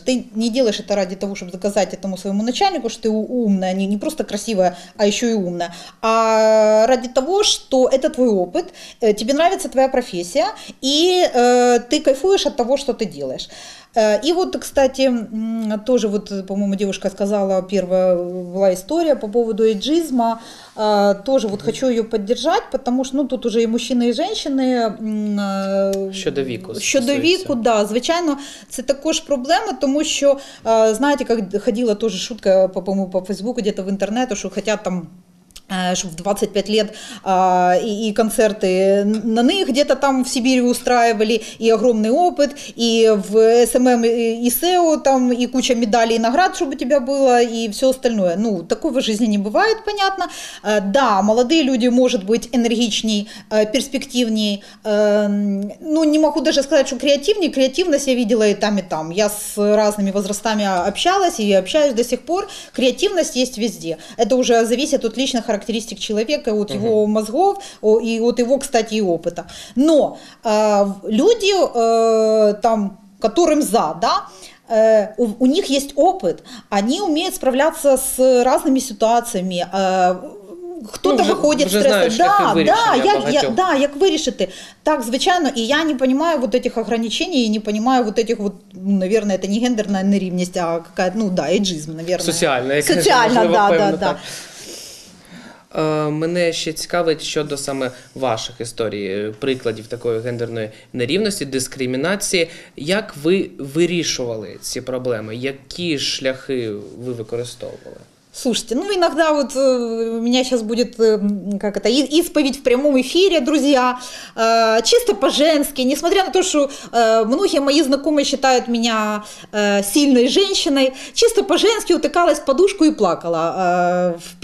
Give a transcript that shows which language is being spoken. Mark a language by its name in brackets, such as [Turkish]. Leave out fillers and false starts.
[Russian] Ты не делаешь это ради того, чтобы доказать этому своему начальнику, что ты умная, не просто красивая, а еще и умная, а ради того, что это твой опыт, тебе нравится твоя профессия, и ты кайфуешь от того, что ты делаешь. И вот, кстати, тоже вот, по-моему, девушка сказала, первая была история по поводу эйджизма, тоже вот хочу ее поддержать, потому что, ну, тут уже и мужчины, и женщины. [Ukrainian] Щодо віку. Щодо віку, да, звичайно, це також проблема, тому що, знаєте, як ходила [Russian] тоже шутка, [Ukrainian] по-моєму, по Фейсбуку, [Russian] где-то [Ukrainian] в інтернеті, що хотят там... [Russian] чтобы в 25 лет и концерты на них где-то там в Сибири устраивали, и огромный опыт, и в СММ, и SEO, там, и куча медалей и наград, чтобы у тебя было, и все остальное. Ну, такого в жизни не бывает, понятно. Да, молодые люди, может быть, энергичней, перспективней. Ну, не могу даже сказать, что креативней. Креативность я видела и там, и там. Я с разными возрастами общалась и общаюсь до сих пор. Креативность есть везде. Это уже зависит от личных характеристик человека, от его мозгов и от его, кстати, и опыта. Но люди, там, которым за, да, у них есть опыт, они умеют справляться с разными ситуациями, кто-то выходит [Ukrainian] вже [Russian] в стресс. Знаешь, да, как вырешить, да, да, как вырешить. [Ukrainian] Так, звичайно, [Russian] и я не понимаю вот этих ограничений, и не понимаю вот этих вот, ну, наверное, это не гендерная нерівність, а какая-то, ну да, эйджизм, наверное. Социальная. Социально, да, [Ukrainian] певно, [Russian] да. [Ukrainian] Мене ще цікавить щодо саме ваших історій, прикладів такої гендерної нерівності, дискримінації. Як ви вирішували ці проблеми? Які шляхи ви використовували? [Russian] Слушайте, ну иногда вот у меня сейчас будет, как это, исповедь в прямом эфире, друзья, чисто по-женски, несмотря на то, что многие мои знакомые считают меня сильной женщиной, чисто по-женски утыкалась в подушку и плакала,